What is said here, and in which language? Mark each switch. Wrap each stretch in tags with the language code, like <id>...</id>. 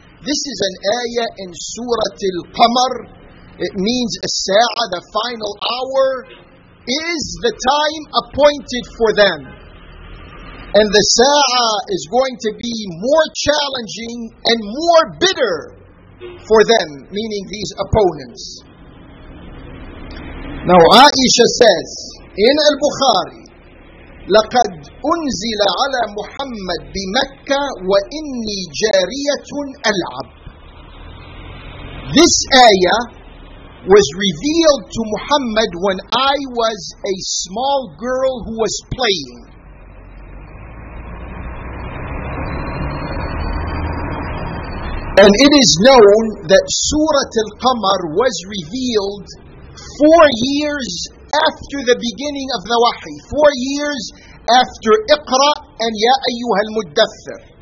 <en>This is an ayah in Surah Al-Qamar. It means السَّاعَة, the final hour, is the time appointed for them. And the سَاعَة is going to be more challenging and more bitter for them, meaning these opponents. Now Aisha says, in Al-Bukhari,</en> <ar>لَقَدْ أُنزِلَ عَلَى مُحَمَّدْ بِمَكَّةِ وَإِنِّي جَارِيَةٌ أَلْعَبْ.</ar> <en>This ayah was revealed to Muhammad when I was a small girl who was playing. And it is known that Surah Al-Qamar was revealed 4 years after the beginning of the Wahy, 4 years after Iqra and Ya Ayyuha al-Muddathir.</en>